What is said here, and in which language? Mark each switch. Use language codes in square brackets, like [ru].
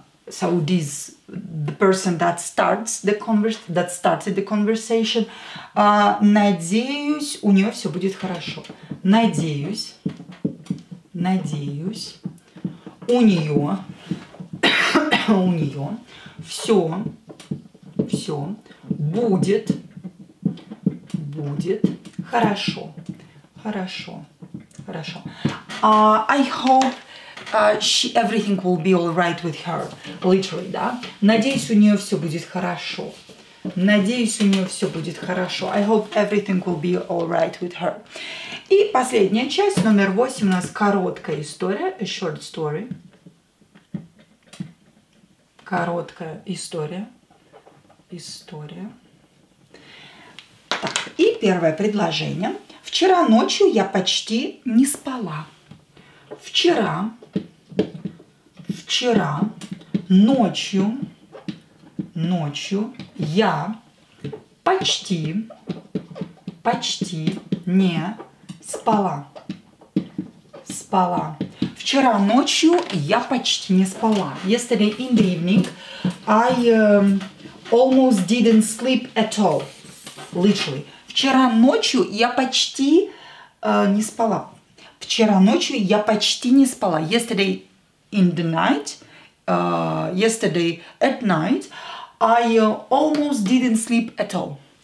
[en] So this the person that starts the that started the conversation. [ru] Надеюсь, у нее все будет хорошо. Надеюсь. Надеюсь. У нее. У нее все, все будет, будет хорошо, хорошо, хорошо. [en] I hope she, everything will be all right with her, literally, [ru] да? Надеюсь, у нее все будет хорошо. Надеюсь, у нее все будет хорошо. [en] I hope everything will be all right with her. [ru] И последняя часть, номер 8, у нас короткая история, [en] a short story. [ru] Короткая история. История. Так, и первое предложение. Вчера ночью я почти не спала. Вчера. Вчера ночью. Ночью я почти. Почти не спала. Спала. Вчера ночью я почти не спала. [en] Yesterday in the evening, I almost didn't sleep at all. Literally. [ru] Вчера ночью я почти не спала. Вчера ночью я почти не спала. [en] Yesterday in the night, yesterday at night, I almost didn't sleep at all.